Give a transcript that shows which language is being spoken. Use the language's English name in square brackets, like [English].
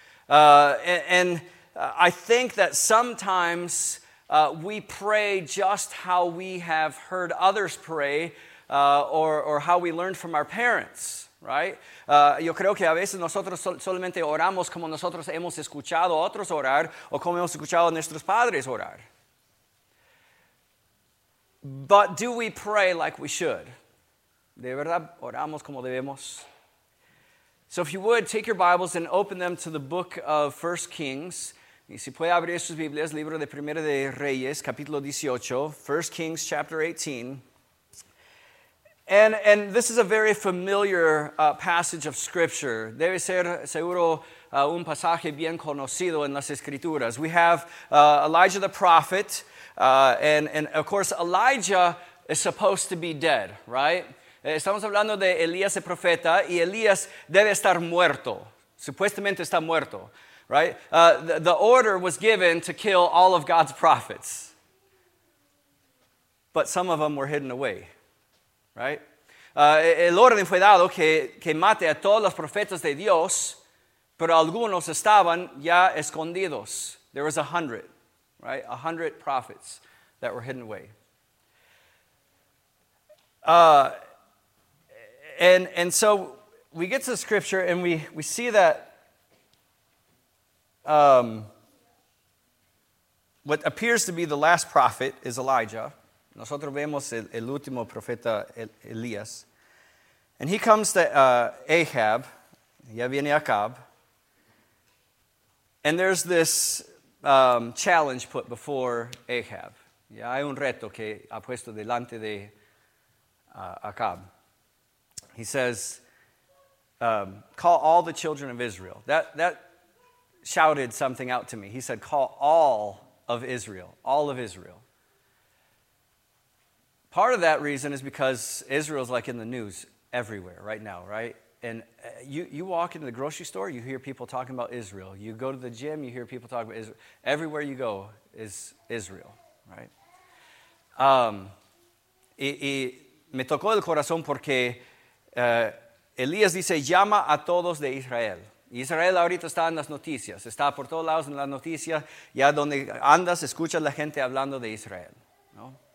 [English] I think that sometimes we pray just how we have heard others pray or how we learned from our parents, right? [Spanish] Yo creo que a veces nosotros solamente oramos como nosotros hemos escuchado a otros orar o como hemos escuchado a nuestros padres orar. [English] But do we pray like we should? [Spanish] ¿De verdad oramos como debemos? [English] So if you would, take your Bibles and open them to the book of 1 Kings. [Spanish] Y si puede abrir sus Biblias, libro de Primera de Reyes, capítulo 18, [English] 1 Kings chapter 18. And this is a very familiar passage of Scripture. [Spanish] Debe ser seguro un pasaje bien conocido en las Escrituras. [English] We have Elijah the prophet, and of course Elijah is supposed to be dead, right? [Spanish] Estamos hablando de Elías el profeta, y Elías debe estar muerto. Supuestamente está muerto, right? [English] The order was given to kill all of God's prophets. But some of them were hidden away, right? [Spanish] El orden fue dado que mate a todos los profetas de Dios, pero algunos estaban ya escondidos. [English] There was 100, right? 100 prophets that were hidden away. And so we get to the scripture and we see that what appears to be the last prophet is Elijah. [Spanish] Nosotros vemos el último profeta Elías. [English] And he comes to Ahab. [Spanish] Ya viene Acab. [English] And there's this challenge put before Ahab. [Spanish] Ya hay un reto que ha puesto delante de Acab. [English] He says, call all the children of Israel. That shouted something out to me. He said, call all of Israel, all of Israel. Part of that reason is because Israel is like in the news everywhere right now, right? And you walk into the grocery store, you hear people talking about Israel. You go to the gym, you hear people talking about Israel. Everywhere you go is Israel, right? [Spanish] Y me tocó el corazón porque Elías dice, llama a todos de Israel. Israel ahorita está en las noticias, está por todos lados en las noticias, ya donde andas, escuchas la gente hablando de Israel, ¿no?